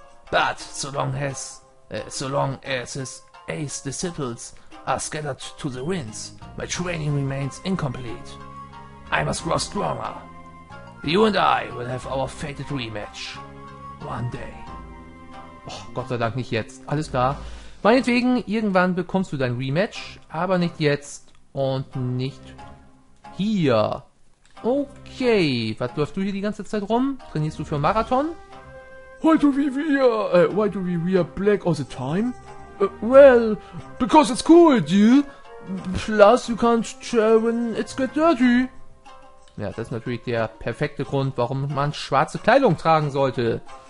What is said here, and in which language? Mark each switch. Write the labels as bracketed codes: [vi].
[en] But so long as his ace disciples are scattered to the winds, my training remains incomplete. I must grow stronger. You and I will have our fated rematch. One day. [de] Oh, Gott sei Dank nicht jetzt. Alles klar. Meinetwegen, irgendwann bekommst du dein Rematch, aber nicht jetzt. Und nicht hier. Okay, was läufst du hier die ganze Zeit rum? Trainierst du für einen Marathon? [en] Why do we wear black all the time? Well, because it's cool, dude. Plus you can't tell when it's get dirty. [de] Ja, das ist natürlich der perfekte Grund, warum man schwarze Kleidung tragen sollte.